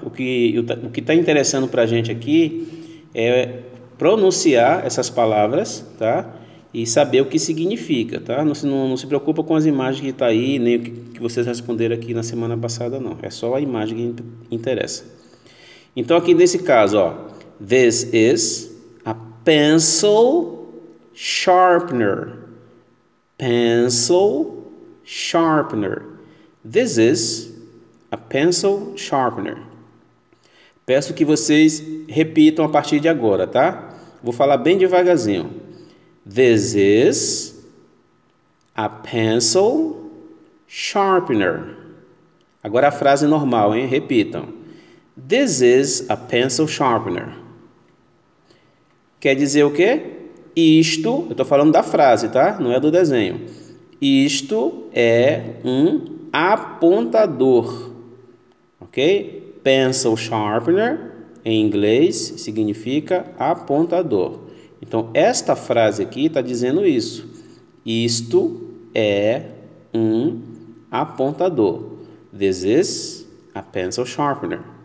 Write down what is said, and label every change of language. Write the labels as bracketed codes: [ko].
[pt] O que está interessando para a gente aqui é pronunciar essas palavras, tá? E saber o que significa, tá? Não se preocupa com as imagens que estão aí, nem o que vocês responderam aqui na semana passada, não. É só a imagem que interessa. Então, aqui nesse caso, ó. [en] This is a pencil sharpener. Pencil sharpener. This is a pencil sharpener. [pt] Peço que vocês repitam a partir de agora, tá? Vou falar bem devagarzinho. [en] This is a pencil sharpener. [pt] Agora a frase normal, hein? Repitam. [en] This is a pencil sharpener. [pt] Quer dizer o quê? Isto, eu estou falando da frase, tá? Não é do desenho. Isto é um apontador. Ok? Pencil sharpener, em inglês, significa apontador. Então, esta frase aqui está dizendo isso. Isto é um apontador. [en] This is a pencil sharpener.